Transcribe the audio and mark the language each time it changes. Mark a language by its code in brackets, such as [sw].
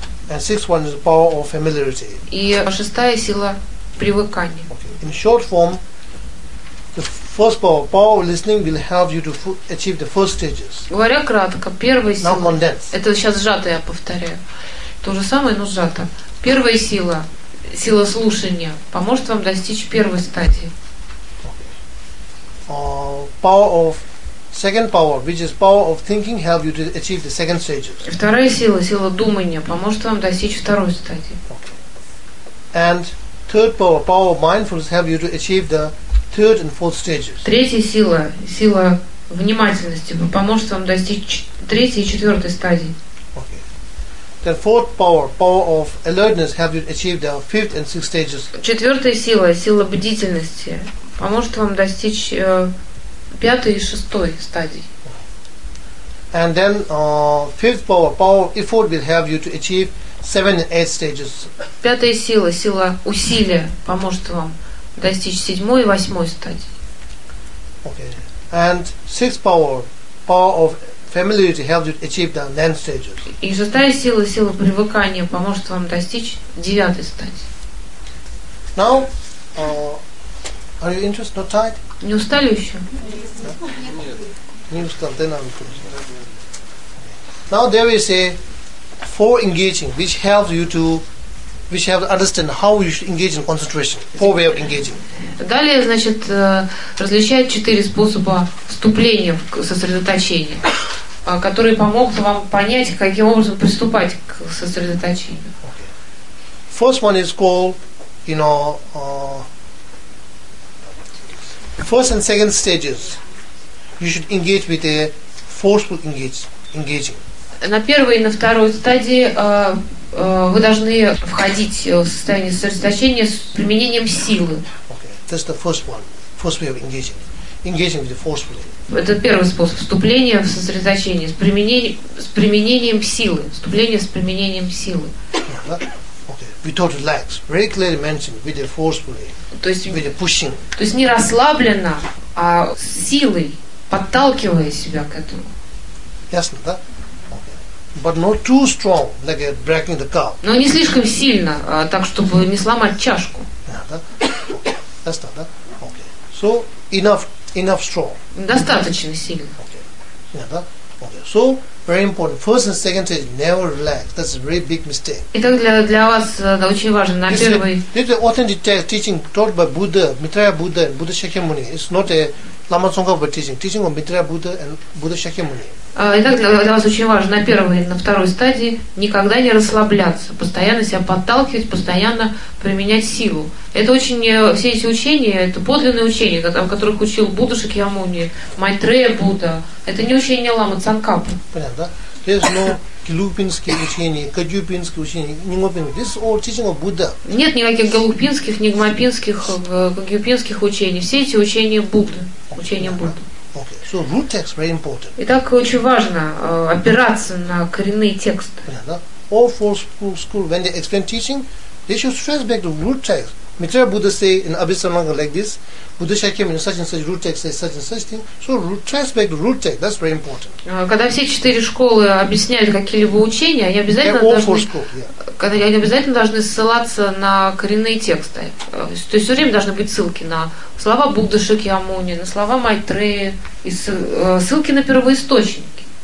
[en] And sixth one is the power of familiarity. [ru] И шестая сила – привыкание. [en] In short form, the first power of listening will help you to achieve the first stages. [ru] Говоря кратко, первая сила. Это сейчас сжато я повторяю. То же самое, но сжато. Первая сила, сила слушания, поможет вам достичь первой стадии. [en] Power of second power, which is power of thinking, help you to achieve the second stages. [ru] Вторая сила, сила думания, поможет вам достичь второй стадии. [en] And third power of mindfulness help you to achieve the third and fourth stages. [ru] Третья сила, сила внимательности, поможет вам достичь третьей и четвертой стадии. [en] Okay. Then fourth power of alertness help you to achieve the fifth and sixth stages. [ru] Четвертая сила, сила бдительности, поможет вам достичь пятой и шестой стадии. [en] And then fifth power of effort will help you to achieve 7 and 8 stages. [ru] Пятая сила, сила усилия поможет вам достичь седьмой и восьмой стадии. [en] Okay. And sixth power of familiarity helps you achieve the 9 stages. [ru] И шестая сила, сила привыкания поможет вам достичь девятой стадии. [en] Now, are you interested, not tired? [ru] Не устали еще? Не устал, [en] then I'm finished. Now there we say four engaging, which helps understand how you should engage in concentration. Four way of engaging. [ru] Далее, значит, различает четыре способа вступления в сосредоточение, которые помогут вам понять, каким образом приступать к сосредоточению. [en] Okay. First one is called, you know, first and second stages. You should engage with a forceful engaging. [ru] На первой и на второй стадии вы должны входить в состояние сосредоточения с применением силы. [en] Okay. That's the first one. First way of engaging. Engaging with the forceful. [ru] Это первый способ вступления в сосредоточение с применением силы. Вступление с применением силы. [en] Okay. Without to relax. Very clearly mentioned with the forceful. [ru] То есть, [en] with the pushing. [ru] То есть не расслабленно, а силой, подталкивая себя к этому. Ясно, да? [en] But not too strong, like breaking the cup. [ru] Но не слишком сильно, так чтобы не сломать чашку. [en] Yeah, [ru] да? [en] Okay. That's not, [ru] да? [en] Okay. So enough strong. [ru] Достаточно сильно. [en] Okay. Yeah, [ru] да? [en] So very important. First and second stage, never relax. That's a very big mistake. [ru] Итак, для вас это очень важно. На первый. [en] This is authentic teaching taught by Buddha, Maitreya Buddha, and Buddha Shakyamuni. It's not a Lama Tsongkhapa teaching. Teaching of Maitreya Buddha and Buddha Shakyamuni. [ru] Итак, для вас очень важно на первой, на второй стадии никогда не расслабляться, постоянно себя подталкивать, постоянно применять силу. Это очень, все эти учения, это подлинные учения, в которых учил Будда Шакьямуни, Майтрея Будда. Это не учение Ламы Цанкапа. Понятно, да? [en] There's no [ru] Гелугпинские учения, Кадюпинские учения, Нигмопинские. [en] This is all teaching of Buddha. [ru] Нет никаких Гелугпинских, Нигмопинских, Кадюпинских учений. Все эти учения Будды, учения Будды. [en] Okay, so root text very important. [ru] Итак, очень важно опираться на коренные тексты. [en] Yeah, [ru] да? [en] All four school when they explain teaching, they should stress back the root text. Maitreya Buddha say in Abhisamanga like this, Buddha Shakyamuni such and such root text says such and such thing. So stress back the root text. That's very important. [ru] Когда все четыре школы объясняют какие-либо учения, они обязательно [en] all [ru] должны. [en] Four school, yeah. [ru] Когда они обязательно должны ссылаться на коренные тексты. То есть все время должны быть ссылки на слова Будды Шакьямуни, на слова Майтреи, и ссылки на первоисточники.